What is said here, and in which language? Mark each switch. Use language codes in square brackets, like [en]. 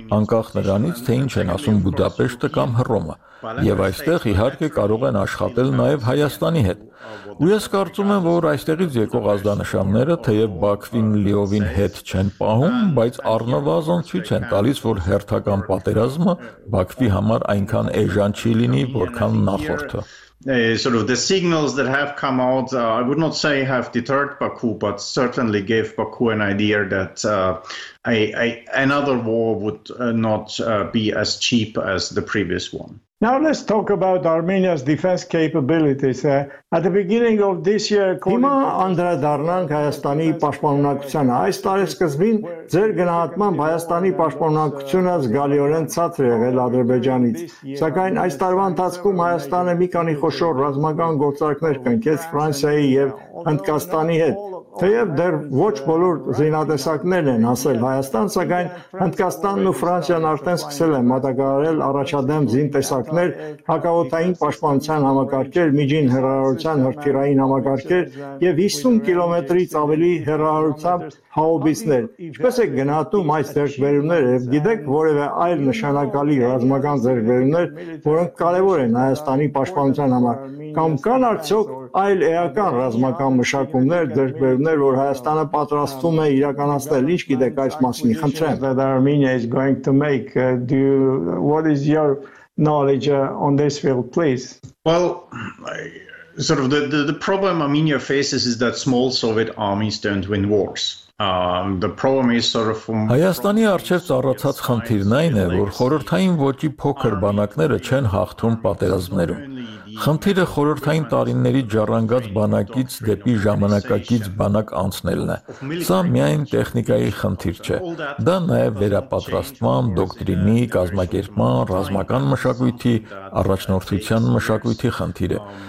[hy] անկախ նրանից, թե ինչ են ասում Բուդապեշտը կամ Հռոմը, եւ այստեղ իհարկե կարող են աշխատել նաեւ Հայաստանի հետ։ Ու ես կարծում եմ, որ այստեղից եկող ազդանշանները, թեև Բաքվին Լիովին հետ չեն պահում, բայց առնվազն ցույց են տալիս, որ հերթական պատերազմը Բաքվի համար այնքան էժան չի լինի, որքան նախորդը։ [en] Sort of the signals that have come out, I would not say have deterred Baku, but certainly gave Baku an idea that another war would not be as cheap as the previous one. Now let's talk about Armenia's defense capabilities. At the beginning of this year, [hy] Հիմա անդրադառնանք Հայաստանի պաշտպանունակությանը։ Այս տարի սկզբին ձեր գնահատմամբ Հայաստանի պաշտպանունակությունը զգալիորեն ցածր եղել Ադրբեջանից։ Սակայն այս տարվա ընթացքում Հայաստանը մի քանի խոշոր ռազմական գործարքներ կնքեց Ֆրանսիայի եւ Հնդկաստանի հետ։ Թեև դեռ ոչ բոլոր զինատեսակներն են ասել Հայաստան, սակայն Հնդկաստանն ու Ֆրանսիան արդեն սկսել են մատակարարել առաջադեմ զինտեսակներ, հակաօդային պաշտպանության համակարգեր, միջին հեռարարության հրթիռային համակարգեր եւ 50 կիլոմետրից ավելի հեռարարությամբ հաուբիցներ։ Ինչպես է գնահատում այս ձեռքբերումները եւ գիտեք որևէ այլ նշանակալի ռազմական ձեռքբերումներ, որոնք կարեւոր են Հայաստանի պաշտպանության համար, կամ կան արդյոք այլ էական ռազմական մշակումներ, ձեռքբերումներ, որ Հայաստանը պատրաստվում է իրականացնել, ինչ գիտեք այս մասին, խնդրեմ։ [en] That Armenia is going to make, what is your knowledge on this field, please? Well, sort of the problem Armenia faces is that small Soviet armies don't win wars. The problem is sort of from [hy] Հայաստանի արչեր ծառացած խնդիրն այն է, որ խորհրդային ոճի փոքր բանակները չեն հաղթում պատերազմներում։ Խնդիրը խորհրդային տարիների ժառանգած բանակից դեպի ժամանակակից բանակ անցնելն է։ Սա միայն տեխնիկայի խնդիր չէ, դա նաև վերապատրաստման, դոկտրինի, կազմակերպման, ռազմական մշակույթի, առաջնորդության մշակույթի խնդիր է։